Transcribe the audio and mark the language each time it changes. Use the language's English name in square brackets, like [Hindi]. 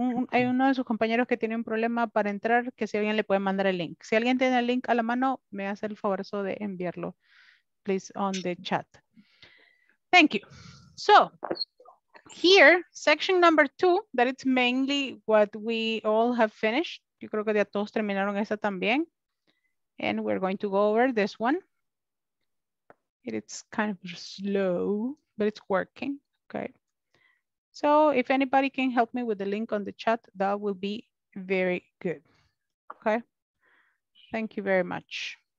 [Spanish] hay uno de sus compañeros que tiene un problema para entrar, que si alguien le puede mandar el link. Si alguien tiene el link a la mano, me hace el favor de enviarlo, [English] please, on the chat. Thank you. So, here, section number two, that it's mainly what we all have finished. [Spanish] Yo creo que ya todos terminaron esta también. [English] And we're going to go over this one. It's kind of slow, but it's working. Okay. So if anybody can help me with the link on the chat, that will be very good. Okay. Thank you very much.